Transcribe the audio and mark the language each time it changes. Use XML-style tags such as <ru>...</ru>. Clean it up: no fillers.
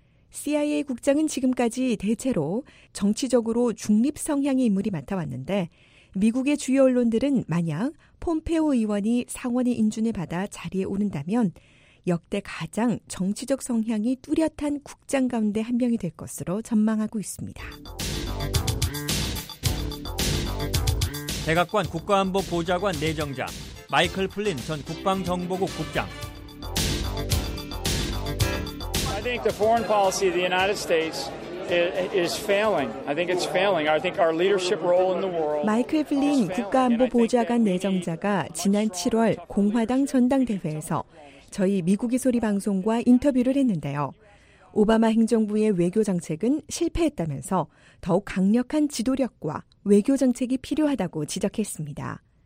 <ko>CIA 국장은 지금까지 대체로 정치적으로 중립 성향의 인물이 맡아왔는데 미국의 주요 언론들은 만약 폼페오 의원이 상원의 인준을 받아 자리에 오른다면 역대 가장 정치적 성향이 뚜렷한 국장 가운데 한 명이 될 것으로 전망하고 있습니다. 백악관 국가안보보좌관 내정자 마이클 플린 전 국방정보국 국장.</ko> <en>I think the foreign policy of the United States is failing. I think it's failing. I think our leadership role in the world.</en> <ko>마이클 플린 국가안보보좌관 내정자가 지난 7월 공화당 전당대회에서 저희 미국의 소리 방송과 인터뷰를 했는데요. 오바마 행정부의 외교 정책은 실패했다면서 더욱 강력한 지도력과 외교 정책이 필요하다고 지적했습니다.</ko>